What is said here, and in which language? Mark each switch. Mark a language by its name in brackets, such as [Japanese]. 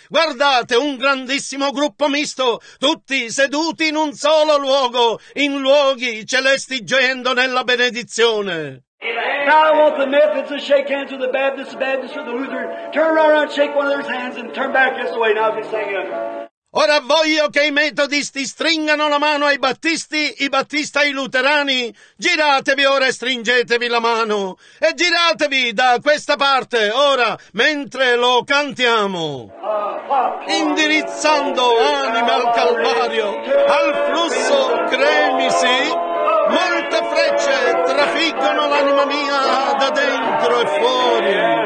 [Italian] Guardate, un grandissimo gruppo misto, tutti seduti in un solo luogo, in luoghi celesti, gioendo nella benedizione. [English] Now I want the Methodists to shake hands with the Baptists or the Lutherans. Turn around and shake one of their hands and turn back this way. Now I'll be singing. [Italian] Ora voglio che i metodisti stringano la mano ai battisti, i battisti ai luterani. Giratevi ora e stringetevi la mano. E giratevi da questa parte, ora, mentre lo cantiamo. Indirizzando anima al Calvario, al flusso cremisi, molte frecce trafiggono l'anima mia da dentro e fuori.